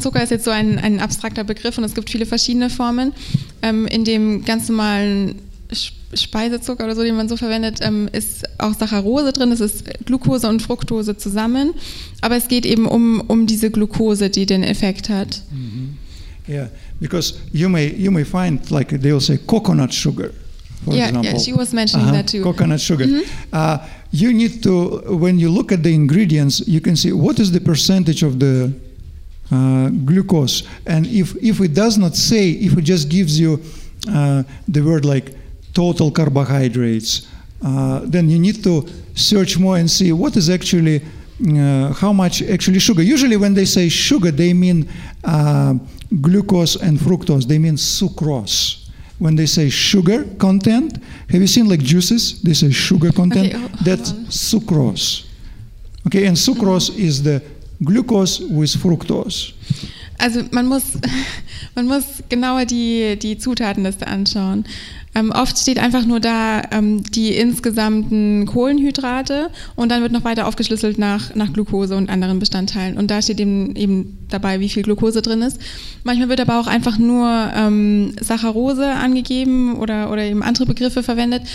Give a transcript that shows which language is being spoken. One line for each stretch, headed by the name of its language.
German: Zucker ist jetzt so ein abstrakter Begriff, und es gibt viele verschiedene Formen. In dem ganz normalen Speisezucker oder so, den man so verwendet, ist auch Saccharose drin. Es ist Glucose und Fructose zusammen. Aber es geht eben um diese Glucose, die den Effekt hat. Mm-hmm.
English: Yeah, because you may find, like they will say, coconut sugar, for example. Yeah, she was mentioning that too. Coconut sugar. Mm-hmm. You need to, when you look at the ingredients, you can see what is the percentage of the glucose. And if it does not say, if it just gives you the word like total carbohydrates, then you need to search more and see what is actually, how much actually sugar. Usually when they say sugar, they mean glucose and fructose. They mean sucrose. When they say sugar content, have you seen like juices? They say sugar content. Okay, that's sucrose. Okay, and sucrose is the glucose with fructose.
German: Also man muss Man muss genauer die Zutatenliste anschauen. Oft steht einfach nur da die insgesamten Kohlenhydrate und dann wird noch weiter aufgeschlüsselt nach Glucose und anderen Bestandteilen. Und da steht eben dabei, wie viel Glucose drin ist. Manchmal wird aber auch einfach nur Saccharose angegeben oder eben andere Begriffe verwendet.